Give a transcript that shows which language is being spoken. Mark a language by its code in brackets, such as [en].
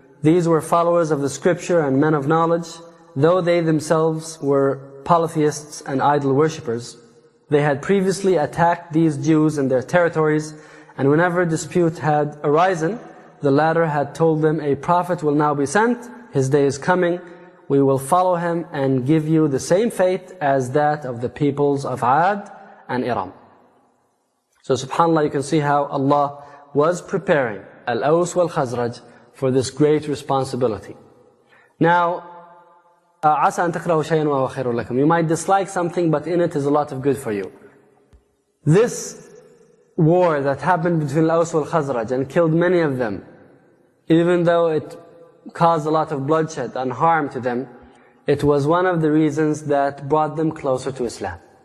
[en] These were followers of the scripture and men of knowledge. Though they themselves were polytheists and idol worshippers, they had previously attacked these Jews in their territories, and whenever dispute had arisen, the latter had told them, "A prophet will now be sent, his day is coming, we will follow him and give you the same fate as that of the peoples of Ad and Iram." So subhanAllah, you can see how Allah was preparing Al-Aws wal-Khazraj for this great responsibility. [ar] Now, عَسَىٰ أَن تَقْرَهُ شَيْئًا وَهُوَ خَيْرٌ لَكُمْ. [en] You might dislike something, but in it is a lot of good for you. This war that happened between Al-Aws wal-Khazraj and killed many of them, even though it caused a lot of bloodshed and harm to them, it was one of the reasons that brought them closer to Islam.